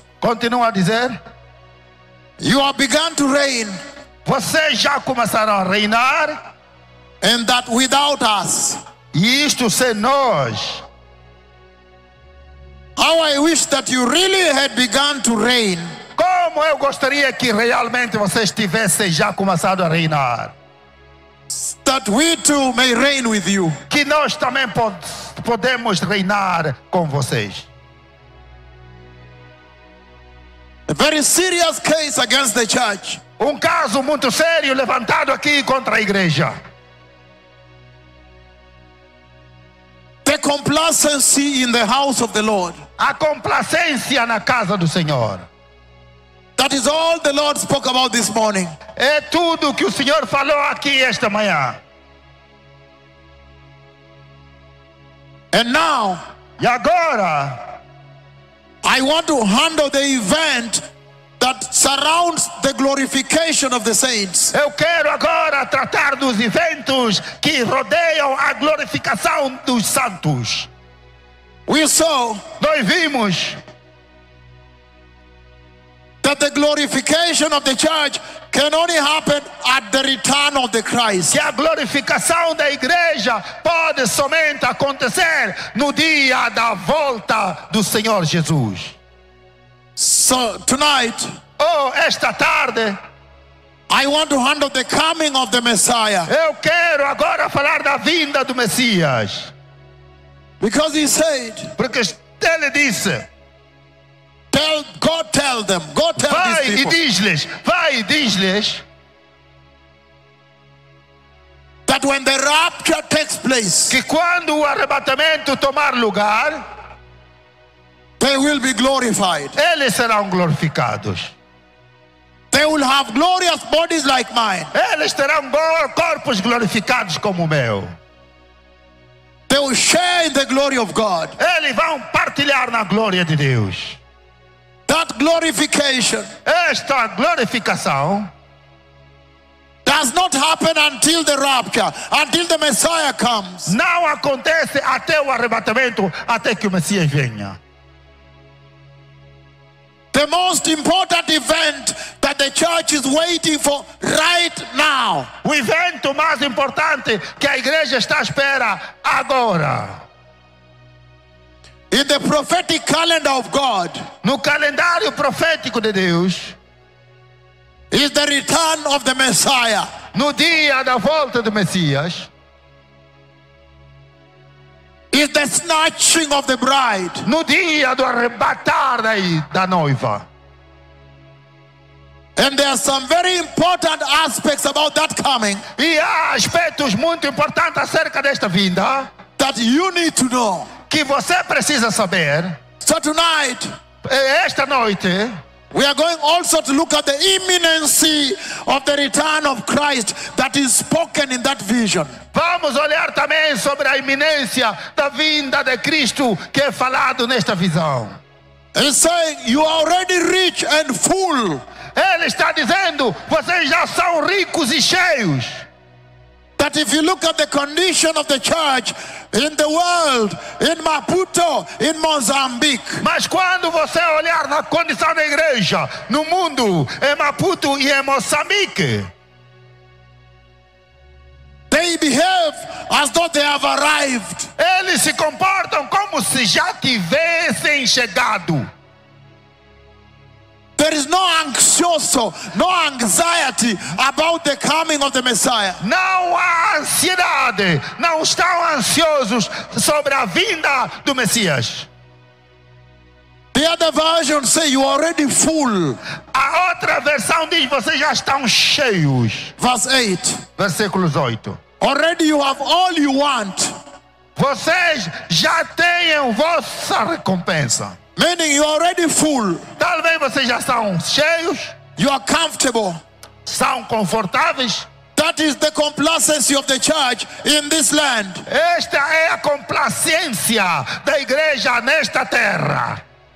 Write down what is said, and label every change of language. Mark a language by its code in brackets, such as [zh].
[pt] Continua a dizer. [en] You have begun to reign. [pt] Vocês já começaram a reinar. [en] And that without us. [pt] E isto sem nós. [en] How I wish that you really had begun to reign. [pt] Como eu gostaria que realmente vocês tivessem já começado a reinar. [en] that we too may reign with you. [pt] Que nós também podemos reinar com vocês. [en] A very serious case against the church. [pt] Caso muito sério levantado aqui contra a igreja. [en] The complacency in the house of the Lord. [pt] A complacência na casa do Senhor. [en] That is all the Lord spoke about this morning. [pt] É tudo que o Senhor falou aqui esta manhã. [en] And now, [pt] e agora, [en] I want to handle the event that surrounds the glorification of the saints. [pt] Eu quero agora tratar dos eventos que rodeiam a glorificação dos santos. Nós vimos [en] that the glorification of the church can only happen at the return of the Christ. [pt] Que a glorificação da igreja pode somente acontecer no dia da volta do Senhor Jesus. [en] So tonight, [pt] esta tarde, [en] I want to handle the coming of the Messiah. [pt] Eu quero agora falar da vinda do Messias. [en] Because he said, [pt] porque ele disse, [en] Go tell [pt] vai [en] these people. [pt] E diz-lhes, vai e diz-lhes, [en] that when the rapture takes place, [pt] que quando o arrebatamento tomar lugar, [en] they will be glorified. [pt] Eles serão glorificados. [en] They will have glorious bodies like mine. [pt] Eles terão corpos glorificados como o meu. [en] They will share in the glory of God. [pt] Eles vão partilhar na glória de Deus. [en] That glorification, [pt] esta glorificação, [en] does not happen until the rapture, until the Messiah comes. [pt] Não acontece até o arrebatamento, até que o Messias venha. [en] The most important event that the church is waiting for right now. [pt] O evento mais importante que a igreja está à espera agora. [en] In the prophetic calendar of God, [pt] no calendário profético de Deus, [en] is the return of the Messiah. [pt] No dia da volta do Messias, [en] is the snatching of the bride. [pt] No dia do arrebatar da noiva. [en] And there are some very important aspects about that coming. [pt] E há aspectos muito importantes acerca desta vinda [en] that you need to know. [pt] Que você precisa saber. [en] So tonight, [pt] esta noite, [en] we are going also to look at the imminency of the return of Christ that is spoken in that vision. [pt] Vamos olhar também sobre a iminência da vinda de Cristo que é falado nesta visão. [en] He's saying, you are already rich and full. [pt] Ele está dizendo, vocês já são ricos e cheios. [en] That if you look at the condition of the church in the world, in Maputo, in Mozambique. [pt] Mas quando você olhar na condição da igreja, no mundo, em Maputo e em Moçambique. [en] They behave as though they have arrived. [pt] Eles se comportam como se já tivessem chegado. [en] There is no anxioso, no anxiety about the coming of the Messiah. [pt] Não há ansiedade, não estão ansiosos sobre a vinda do Messias. [en] The other version say you are already full. [pt] A outra versão diz vocês já estão cheios. [en] Verse 8. [pt] Versículos 8. [en] Already you have all you want. [pt] Vocês já têm vossa recompensa. [en] Meaning you are already full. [pt] Talvez vocês já são cheios. [en] You are comfortable. [pt] São confortáveis. [en] That is the complacency of the church in this land. [pt] Esta é a complacência da igreja nesta terra.